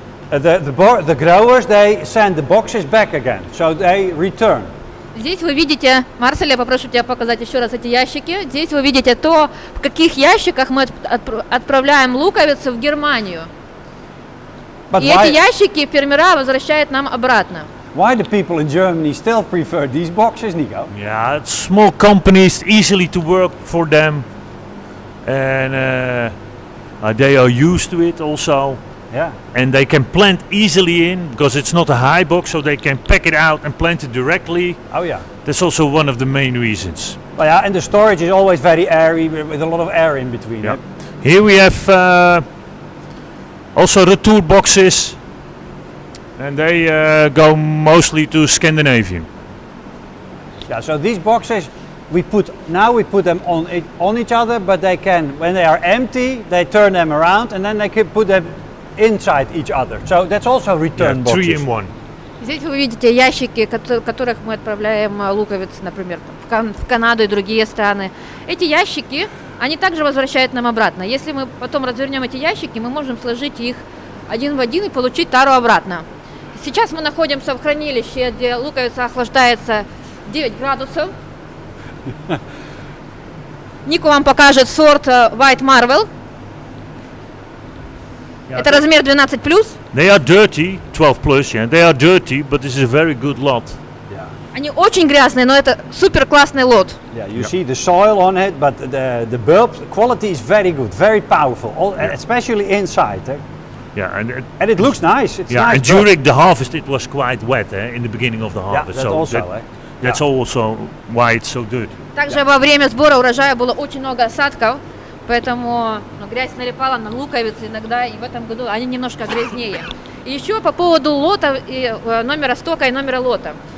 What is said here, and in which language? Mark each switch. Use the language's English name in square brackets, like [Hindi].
[English] And the growers they send the boxes back again, so they return. [Russian] Здесь вы видите, Марсель, я попрошу тебя показать еще раз эти ящики. Здесь вы видите то, в каких ящиках мы отправляем луковицу в Германию. [English] But [Russian] и эти ящики фермера возвращают нам обратно. [English] Why do people in Germany still prefer these boxes, Nico? Yeah, it's small companies, easily to work for them. And they are used to it also. Yeah. And they can plant easily in because it's not a high box, so they can pack it out and plant it directly. Oh yeah. That's also one of the main reasons. Well, yeah, and the storage is always very airy, with a lot of air in between. Yeah. Here we have also retour boxes, and they go mostly to Scandinavia. Yeah, so these boxes, we put them on each other, but they can, when they are empty, they turn them around, and then they can put them inside each other. So that's also return boxes. Three in one. [Russian] Здесь вы видите ящики, которых мы отправляем луковицы, например, в Канаду и другие страны. Эти ящики, они также возвращают нам обратно. Если мы потом развернем эти ящики, мы можем сложить их один в один и получить тару обратно. Сейчас мы находимся в хранилище, где луковица охлаждается 9 градусов. Нику вам покажет сорт White Marvel. Это размер 12+. [English] They are dirty, 12+, yeah. They are dirty, but this is a very good lot. Yeah. [Russian] Они очень грязные, но это супер классный лот. [English] Yeah, you see the soil on it, but the bulb quality is very good, very powerful, especially inside. Yeah, and it looks nice. It's yeah, nice, and during the harvest it was quite wet, in the beginning of the harvest. Yeah, that's so also, That's yeah. also why it's so dirty. [Russian] Также во время сбора урожая было очень много осадков. Поэтому грязь налипала на луковицы иногда, и в этом году они немножко грязнее. И еще по поводу лота, и номера стока и номера лота.